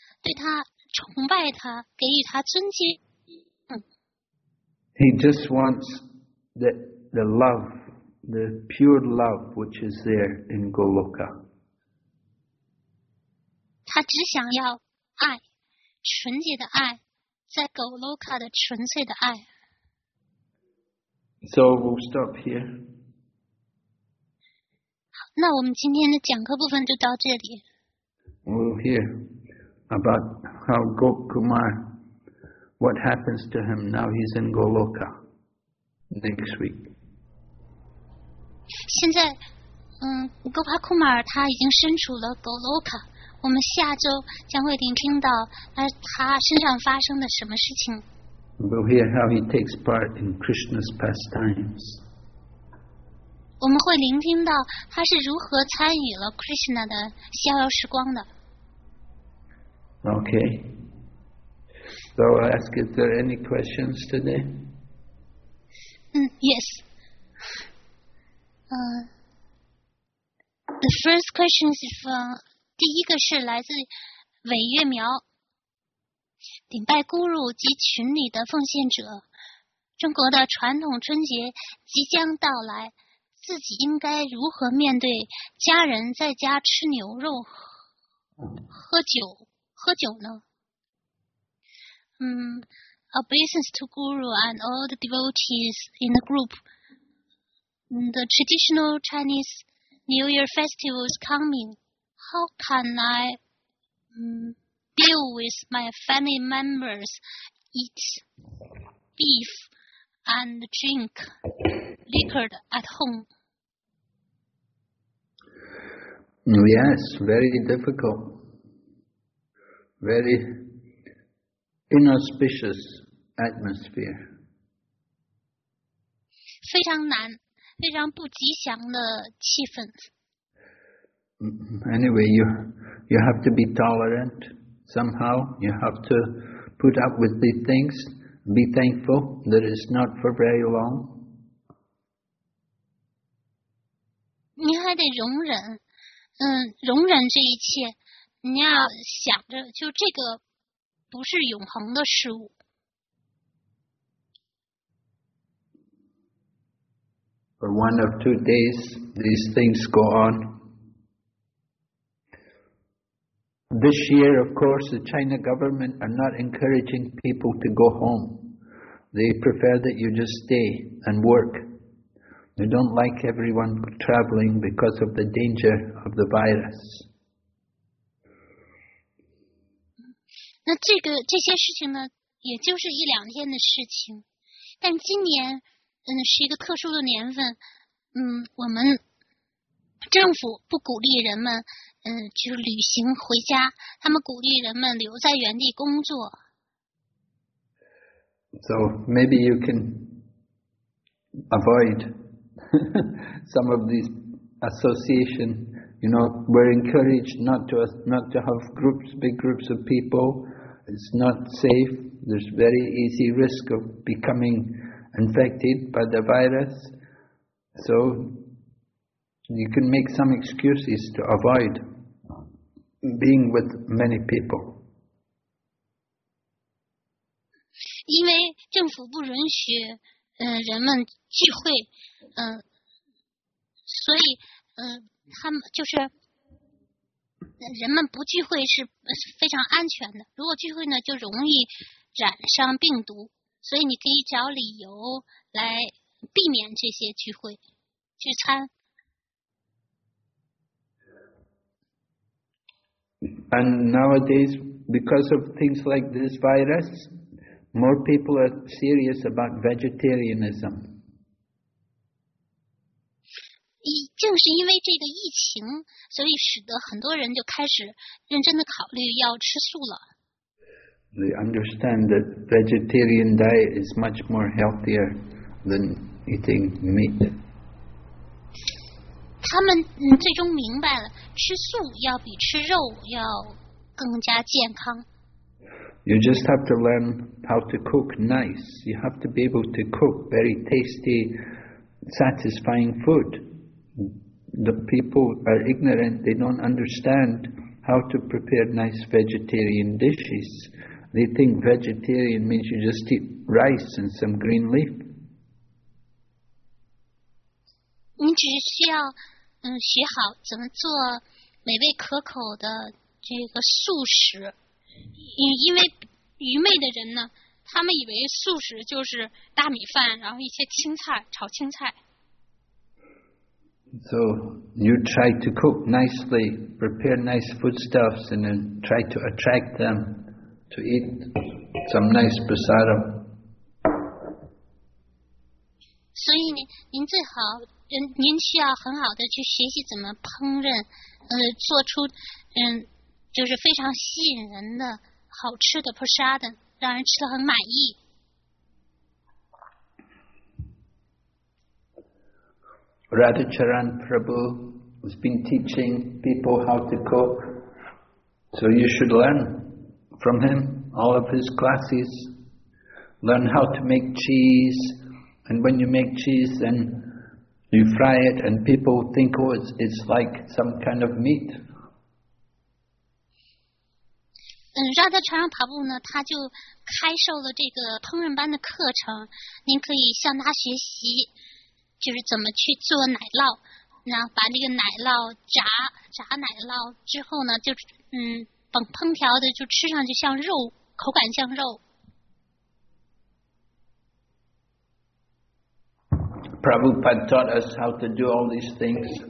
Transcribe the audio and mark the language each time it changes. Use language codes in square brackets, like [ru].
[zh] 对他崇拜他，给予他尊敬。 [en] He just wants the love, the pure love which is there in Goloka. [zh] 他只想要爱，纯洁的爱，在 Goloka 的纯粹的爱。 [en] So we'll stop here. [zh] 好，那我们今天的讲课部分就到这里。 [en] We'll hear. About how Gop Kumar, what happens to him now he's in Goloka next week. [zh] 现在，Gop Kumar 他已经身处了 Goloka. 我们下周将会聆听到他身上发生的什么事情。 [en] We'll hear how he takes part in Krishna's pastimes. [zh] 我们会聆听到他是如何参与了 Krishna 的逍遥时光的。 [en] Okay. So I ask, is there any questions today? Yes. The first question is from, [zh] 第一个是来自韦月苗。顶拜孤乳及群里的奉献者，中国的传统春节即将到来，自己应该如何面对家人在家吃牛肉、喝酒呢？ [en] Obeisance to Guru and all the devotees in the group. The traditional Chinese New Year festival is coming. How can I deal with my family members eat beef and drink liquor at home? Yes, very difficult. Very inauspicious atmosphere. [zh] 非常难，非常不吉祥的气氛。 [en] Anyway, you have to be tolerant. Somehow, you have to put up with these things. Be thankful that it's not for very long. [zh] 你还得容忍，容忍这一切。你要想着，就这个不是永恒的事物。 [en] For one or two days, these things go on. This year, of course, the China government are not encouraging people to go home. They prefer that you just stay and work. They don't like everyone traveling because of the danger of the virus. [zh] 那这些事情呢，也就是一两天的事情，但今年。是一个特殊的年份，我们政府不鼓励人们，去旅行回家，他们鼓励人们留在原地工作。 [en] So maybe you can avoid some of these association. You know, we're encouraged not to have groups, big groups of people. It's not safe. There's very easy risk of becoming. Infected by the virus, so you can make some excuses to avoid being with many people. [zh] 因为政府不允许人们聚会，所以他们就是人们不聚会是非常安全的。如果聚会呢，就容易染上病毒。所以你可以找理由来避免这些聚会、聚餐。 [en] And nowadays, because of things like this virus, more people are serious about vegetarianism. [zh] 正是因为这个疫情，所以使得很多人就开始认真的考虑要吃素了。 [en] They understand that vegetarian diet is much more healthier than eating meat. [zh] 他们最终明白了，吃素要比吃肉要更加健康。 [en] You just have to learn how to cook nice. You have to be able to cook very tasty, satisfying food. The people are ignorant. They don't understand how to prepare nice vegetarian dishes. They think vegetarian means you just eat rice and some green leaf. [zh] 你只需要学好怎么做美味可口的这个素食。因为愚昧的人呢，他们以为素食就是大米饭，然后一些青菜，炒青菜。 [en] So you try to cook nicely, prepare nice foodstuffs, and then try to attract them. To eat some nice pasado. [zh] 所以您最好，您需要很好的去学习怎么烹饪，做出就是非常吸引人的好吃的 pasado， 让人吃得很满意。 [en] Radhacharan Prabhu has been teaching people how to cook, so you should learn. From him, all of his classes, learn how to make cheese. And when you make cheese, then you fry it, and people think, oh, it's like some kind of meat. [zh] Radhacharan Prabhu 呢，他就开授了这个烹饪班的课程。您可以向他学习，就是怎么去做奶酪，然后把那个奶酪炸奶酪之后呢，就烹调的就吃上就像肉，口感像肉。 [en] Prabhupada taught us how to do all these things.